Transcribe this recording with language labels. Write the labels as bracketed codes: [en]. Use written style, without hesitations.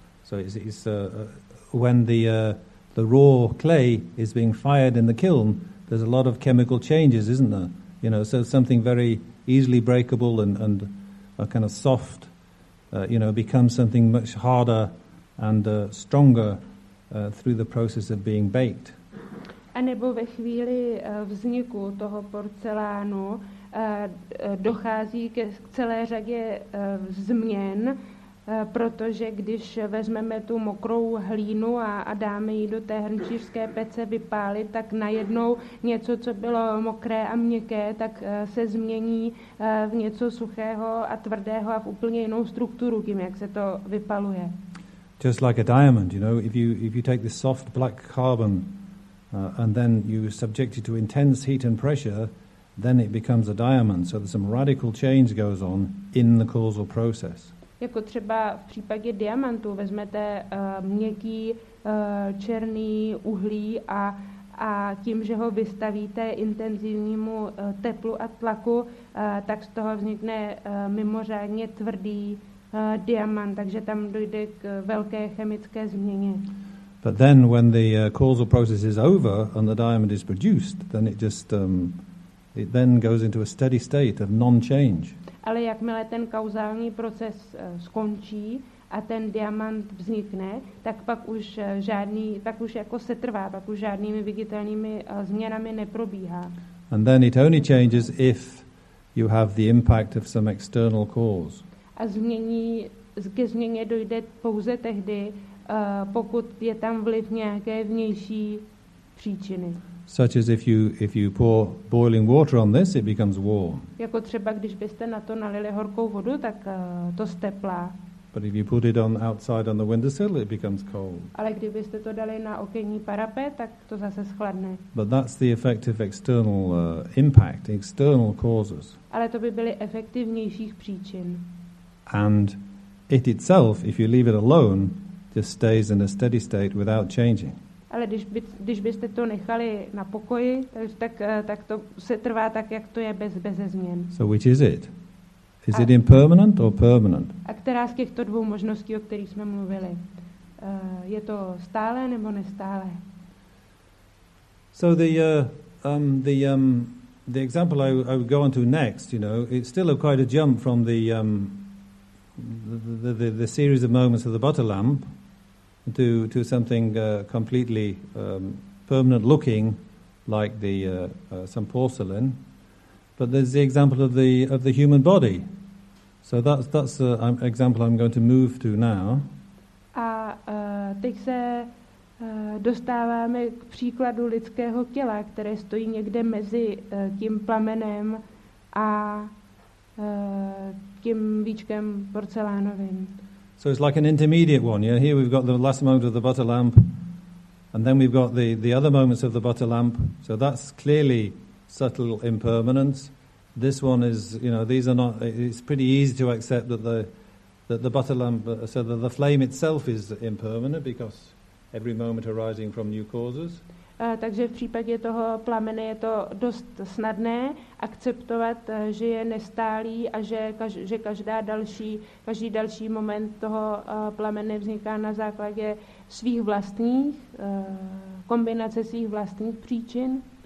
[en] So it's when the raw clay is being fired in the kiln, there's a lot of chemical changes, isn't there? You know, so something very easily breakable and a kind of soft, becomes something much harder and stronger through the process of being baked. [cs] A nebo ve chvíli vzniku toho porcelánu dochází k celé řadě změn, Protože když vezmeme tu mokrou hlínu a dáme ji do té hrnčířské pece vypálit, tak najednou něco, co bylo mokré a měkké, tak se změní v něco suchého a tvrdého a v úplně jinou strukturu tím, jak se to vypaluje. [en] Just like a diamond, you know, if you take this soft black carbon and then you subject it to intense heat and pressure, then it becomes a diamond. So there's some radical change goes on in the causal process. [cs] Jako třeba v případě diamantu vezmete měkký černý uhlí a tím, že ho vystavíte intenzivnímu teplu a tlaku, tak z toho vznikne mimořádně tvrdý diamant, takže tam dojde k velké chemické změně. [en] But then when the causal process is over and the diamond is produced, then it just it then goes into a steady state of non-change. [cs] Ale jakmile ten kauzální proces skončí a ten diamant vznikne, tak pak už žádný, tak už jako se trvá, pak už žádnými viditelnými změnami neprobíhá. [en] And then it only changes if you have the impact of some external cause. [cs] A ke změně dojde pouze tehdy, pokud je tam vliv nějaké vnější příčiny. [en] Such as if you pour boiling water on this, it becomes warm. [cs] Jako třeba když byste na to nalili horkou vodu, tak to steplá. [en] But if you put it on outside on the windowsill, it becomes cold. [cs] Ale kdybyste to dali na okenní parapet, tak to zase schladne. [en] But that's the effect of external impact, external causes. [cs] Ale to by byly efekty vnějších příčin. [en] And it itself, if you leave it alone, just stays in a steady state without changing. [cs] Ale když byste to nechali na pokoji, tak to se trvá tak, jak to je bez změn. [en] So which is it? Is it impermanent or permanent? [cs] A která z těchto dvou možností, o kterých jsme mluvili, je to stále nebo nestále? [en] So the example I would go on to next, you know, it's still quite a jump from the series of moments of the butter lamp. To something completely permanent looking like the some porcelain, but there's the example of the human body. So that's an example I'm going to move to now. [cs] A teď se dostáváme k příkladu lidského těla, které stojí někde mezi tím plamenem a tím víčkem porcelánovým. [en] So it's like an intermediate one. Yeah, here we've got the last moment of the butter lamp, and then we've got the other moments of the butter lamp. So that's clearly subtle impermanence. This one is, you know, these are not. It's pretty easy to accept that the butter lamp. So that the flame itself is impermanent because every moment arising from new causes. [cs] Takže v případě toho plamene je to dost snadné akceptovat, že je nestálý a že každý další moment toho plamene vzniká na základě svých vlastních kombinace svých vlastních příčin.